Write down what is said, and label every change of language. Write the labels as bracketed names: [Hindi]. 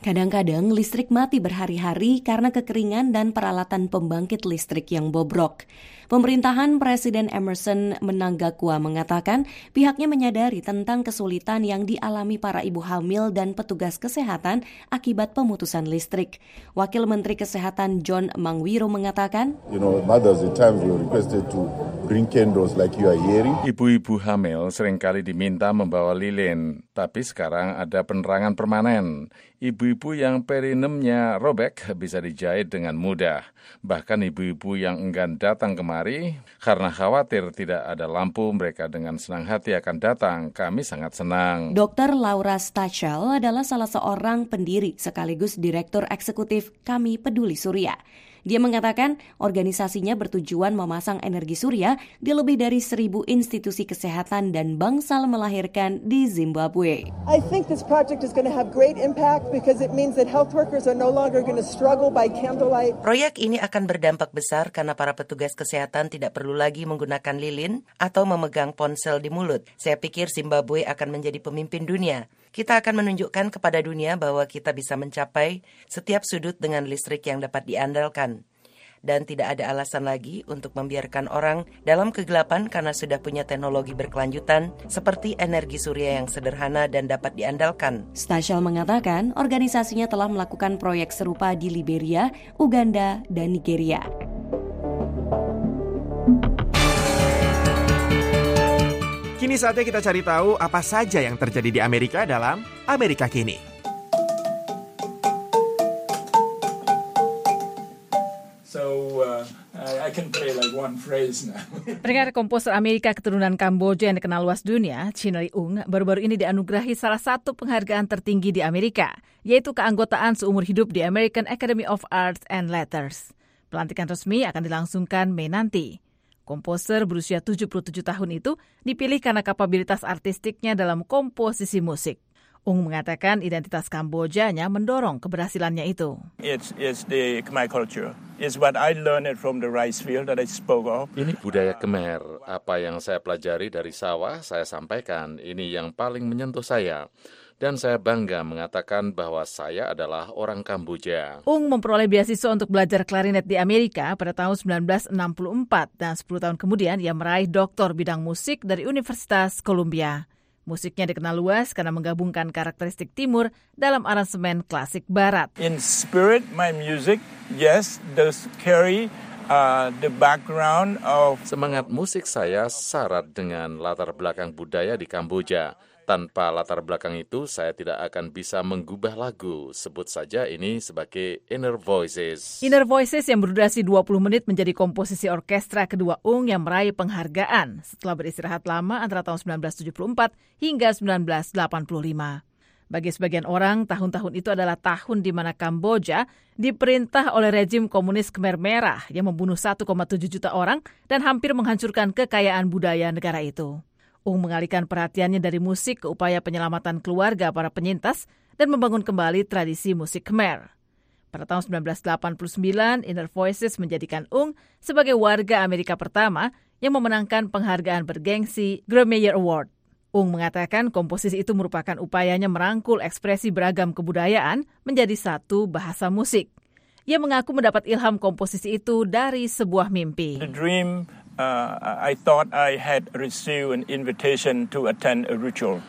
[Indonesian] Kadang-kadang listrik mati berhari-hari karena kekeringan dan peralatan pembangkit listrik yang bobrok. Pemerintahan Presiden Emmerson Mnangagwa mengatakan pihaknya menyadari tentang kesulitan yang dialami para ibu hamil dan petugas kesehatan akibat pemutusan listrik. Wakil Menteri Kesehatan John Mangwiro mengatakan, [English] you know, mothers at times were requested to bring candles like you are hearing. [Indonesian] Ibu-ibu hamil seringkali diminta membawa lilin, tapi sekarang ada penerangan permanen. ibu-ibu yang perineumnya robek bisa dijahit dengan mudah. Bahkan ibu-ibu yang enggan datang kemari karena khawatir tidak ada lampu, mereka dengan senang hati akan datang. Kami sangat senang. Dr. Laura Stachel adalah salah seorang pendiri sekaligus direktur eksekutif Kami Peduli Surya. Dia mengatakan organisasinya bertujuan memasang energi surya di lebih dari 1,000 institusi kesehatan dan bangsal melahirkan di Zimbabwe. [English] I think this project is going to have great impact because it means that health workers are no longer going to struggle by candlelight. [Indonesian] Proyek ini akan berdampak besar karena para petugas kesehatan tidak perlu lagi menggunakan lilin atau memegang ponsel di mulut. Saya pikir Zimbabwe akan menjadi pemimpin dunia. Kita akan menunjukkan kepada dunia bahwa kita bisa mencapai setiap sudut dengan listrik yang dapat diandalkan. Dan tidak ada alasan lagi untuk membiarkan orang dalam kegelapan karena sudah punya teknologi berkelanjutan seperti energi surya yang sederhana dan dapat diandalkan. Stachel mengatakan organisasinya telah melakukan proyek serupa di Liberia, Uganda, dan Nigeria. Kini saatnya kita cari tahu apa saja yang terjadi di Amerika dalam Amerika Kini. [English] I can play like one phrase now. [Indonesian] Pendengar komposer Amerika keturunan Kamboja yang dikenal luas dunia, Chin Lee Ung, baru-baru ini dianugerahi salah satu penghargaan tertinggi di Amerika, yaitu keanggotaan seumur hidup di American Academy of Arts and Letters. Pelantikan resmi akan dilangsungkan Mei nanti. Komposer berusia 77 tahun itu dipilih karena kapabilitas artistiknya dalam komposisi musik. Ung mengatakan identitas Kambojanya mendorong keberhasilannya itu. [English] It's the Khmer culture. It's what I learned from the rice field that I spoke of. [Indonesian] Ini budaya Khmer. Apa yang saya pelajari dari sawah, saya sampaikan. Ini yang paling menyentuh saya. Dan saya bangga mengatakan bahwa saya adalah orang Kamboja. Ung memperoleh beasiswa untuk belajar klarinet di Amerika pada tahun 1964. Dan 10 tahun kemudian ia meraih doktor bidang musik dari Universitas Columbia. Musiknya dikenal luas karena menggabungkan karakteristik timur dalam aransemen klasik barat. [English] In spirit, my music, yes, does carry the background of... [Indonesian] Semangat musik saya syarat dengan latar belakang budaya di Kamboja. Tanpa latar belakang itu, saya tidak akan bisa menggubah lagu. Sebut saja ini sebagai Inner Voices. Inner Voices yang berdurasi 20 menit menjadi komposisi orkestra kedua Ung yang meraih penghargaan setelah beristirahat lama antara tahun 1974 hingga 1985. Bagi sebagian orang, tahun-tahun itu adalah tahun di mana Kamboja diperintah oleh rejim komunis Khmer Merah yang membunuh 1,7 juta orang dan hampir menghancurkan kekayaan budaya negara itu. Ung mengalihkan perhatiannya dari musik ke upaya penyelamatan keluarga para penyintas dan membangun kembali tradisi musik Khmer. Pada tahun 1989, Inner Voices menjadikan Ung sebagai warga Amerika pertama yang memenangkan penghargaan bergengsi Grammy Award. Ung mengatakan komposisi itu merupakan upayanya merangkul ekspresi beragam kebudayaan menjadi satu bahasa musik. Ia mengaku mendapat ilham komposisi itu dari sebuah mimpi. [English] The dream. I thought I had received an invitation to attend a ritual.